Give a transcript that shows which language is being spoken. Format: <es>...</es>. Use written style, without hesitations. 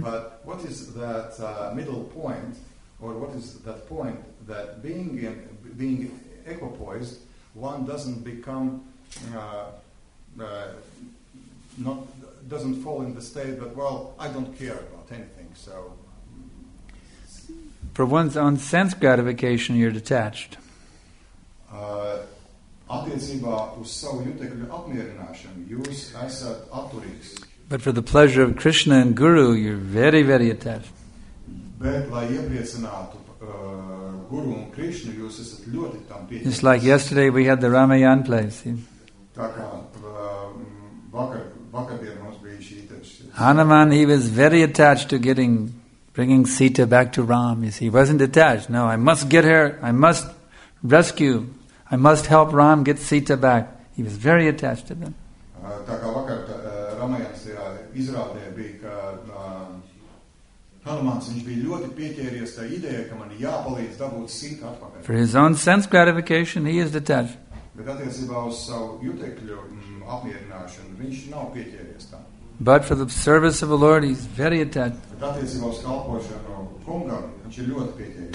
<en>But what is that middle point, or what is that point that being equipoised, one doesn't become not doesn't fall in the state that, well, I don't care about anything. So for one's own sense gratification, you're detached.</en> <lv>Attiecībā uz savu jutekļu apmierināšanu jūs esat atturīgs.</lv> <en>But for the pleasure of Krishna and Guru, you're very, very attached.</en> <lv>Bet, lai iepriecinātu, Guru un Krishna, jūs esat ļoti tam pieķerties.</lv> <en>Just like yesterday we had the Ramayana play, see?</en> <lv>Tā kā, vakardien mums bija šī tieši.</lv> <en>Hanuman, he was very attached to getting, bringing Sita back to Ram, you see. He wasn't attached. No, I must get her, I must rescue, I must help Ram get Sita back. He was very attached to them.</en> <lv>Tā kā vakar Ramayana izrādē bija, ka Hanumans, viņš bija ļoti pieķēries tā ideja, ka man jāpalīdz dabūt Sita atpakaļ.</lv> <en>For his own sense gratification, he is detached.</en> <lv>Bet attiecībā uz savu jutekļu apmierināšanu, viņš nav pieķēries tam.</lv> <en>But for the service of the Lord, he's very attached.</en> <lv>Bet attiecībā uz kalpošanu kungam, viņš ir ļoti pieķēries.</lv>